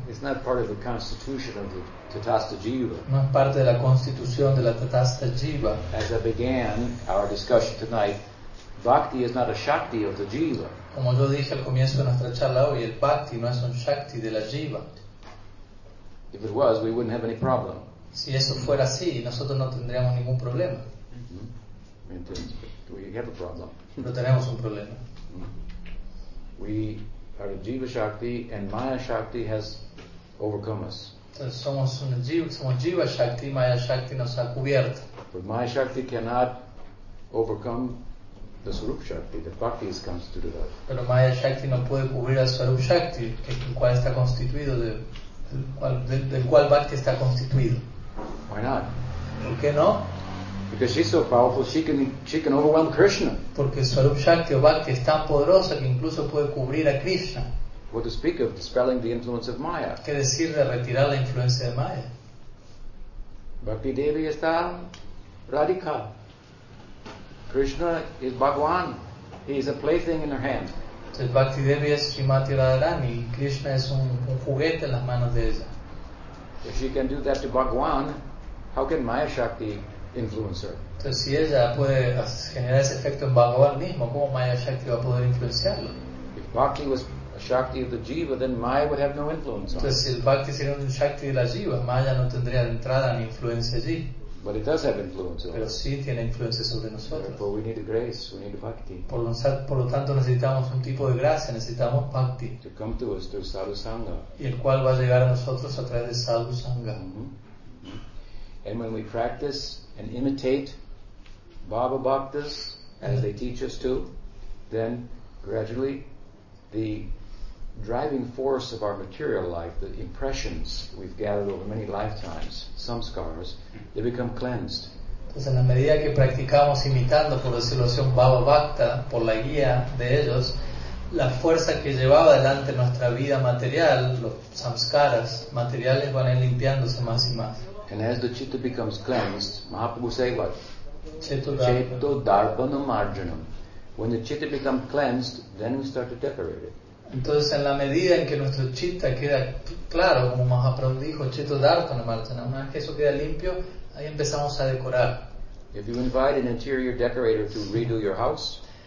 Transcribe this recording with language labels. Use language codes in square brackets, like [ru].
[en] It's not part of the constitution of the tatastha jiva. [es] No es parte de la constitución de la tatastha jiva. [en] As I began our discussion tonight, bhakti is not a shakti of the jiva. [es] Como yo dije al comienzo de nuestra charla hoy, el bhakti no es un shakti de la jiva. [en] If it was, we wouldn't have any problem. [es] Si eso fuera así, nosotros no tendríamos ningún problema. [en] We have a problem. [es] No tenemos un problema. [en] We are a jiva shakti, and maya shakti has overcome us. [es] Entonces somos una jiva, somos jiva shakti, maya shakti nos ha cubierto. [en] But maya shakti cannot overcome the Swarup Shakti, the Bhakti is constituted of. [es] Pero Maya Shakti no puede cubrir al Swarup Shakti, el cual está constituido, del cual Bhakti está constituido. [en] Why not? [es] ¿Por qué no? [en] Because she's so powerful, she can overwhelm Krishna. [es] Porque Swarup Shakti o Bhakti es tan poderosa que incluso puede cubrir a Krishna. [en] What to speak of dispelling the influence of Maya? [es] ¿Qué decir de retirar la influencia de Maya? [en] Bhakti Devi [es] está radical. [en] Krishna is Bhagwan. He is a plaything in her hand. [es] El Bhakti Devi es Srimati Radharani. Krishna es un juguete en las manos de ella. [en] If she can do that to Bhagwan, how can Maya Shakti influence her? [es] Entonces, si ella puede generar ese efecto en Bhagwan mismo, ¿cómo Maya Shakti va a poder influenciarlo? [en] If Bhakti was a Shakti of the Jiva, then Maya would have no influence. [es] Entonces, si el Bhakti sería un Shakti de la Jiva, Maya no tendría entrada ni influencia allí. [en] But it does have influence on us. [es] Pero sí tiene influencia sobre nosotros. [en] Therefore, we need grace. We need bhakti. [es] Por lo tanto, necesitamos un tipo de gracia. Necesitamos bhakti. [en] To come to us through sadhu sangha. [es] Y el cual va a llegar a nosotros a través de sadhu sangha. [en] And when we practice and imitate Baba Bhaktas as they teach us to, then gradually the driving force of our material life, the impressions we've gathered over many lifetimes, some scars, they become cleansed. [es] Entonces, en la medida que practicamos imitando, por decirlo así, un Baba Bhakta, por la guía de ellos, la fuerza que llevaba adelante nuestra vida material, los samskaras materiales, van a ir limpiándose más y más. [en] And as the chitta becomes cleansed, Mahaprabhu say what? [sa] Chetto darpana marjanam. [en] When the chitta becomes cleansed, then we start to decorate it. [es] Entonces, en la medida en que nuestro chitta queda claro, como Mahaprabhu dijo, chitta dharpana marjanam, una vez que eso queda limpio, ahí empezamos a decorar. [en] If you invite an interior decorator to redo your house,